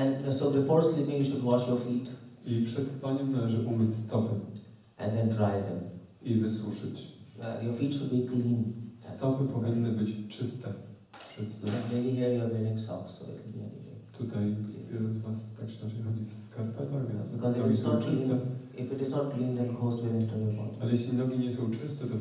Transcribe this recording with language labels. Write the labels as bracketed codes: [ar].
[en] So before sleeping, you should wash your feet. [pl] I przed spaniem należy umyć stopy. [en] And then dry them. [pl] I wysuszyć. [en] Your feet should be clean. [pl] Stopy powinny być czyste. [en] Maybe here you're wearing socks, so it'll be anyway. [pl] Tutaj wielu z was tak się zaczyna chodzi w skarpetach, więc nogi są czyste. [en] If it is not clean, then ghost will enter your body. [pl] Ale jeśli nogi nie są czyste, to